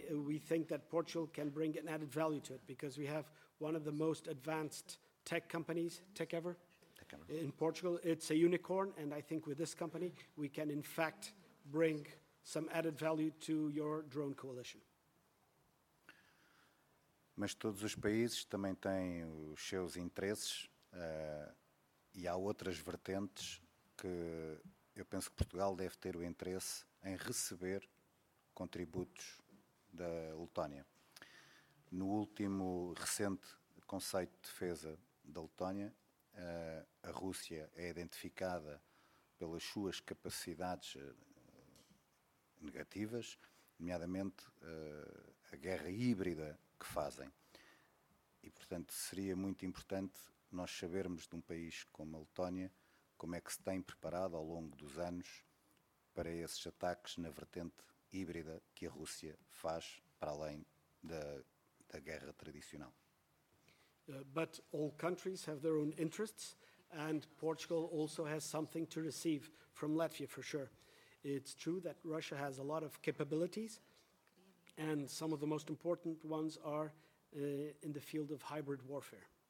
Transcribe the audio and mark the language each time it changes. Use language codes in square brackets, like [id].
[en] We think that Portugal can bring an added value to it because we have one of the most advanced tech companies, Tecever, in Portugal. It's a unicorn, and I think with this company, we can in fact bring some added value to your drone coalition. [pt] Mas todos os países também têm os seus interesses e há outras vertentes que eu penso que Portugal deve ter o interesse em receber contributos da Letónia. No último recente Conselho de Defesa da Letónia, a Rússia é identificada pelas suas capacidades negativas, nomeadamente a guerra híbrida que fazem. E, portanto, seria muito importante nós sabermos de um país como a Letónia como é que se tem preparado ao longo dos anos para esses ataques na vertente híbrida que a Rússia faz para além da guerra tradicional. [en] But all countries have their own interests, and Portugal also has something to receive from Latvia, for sure. It's true that Russia has a lot of capabilities, and some of the most important ones are in the field of hybrid warfare.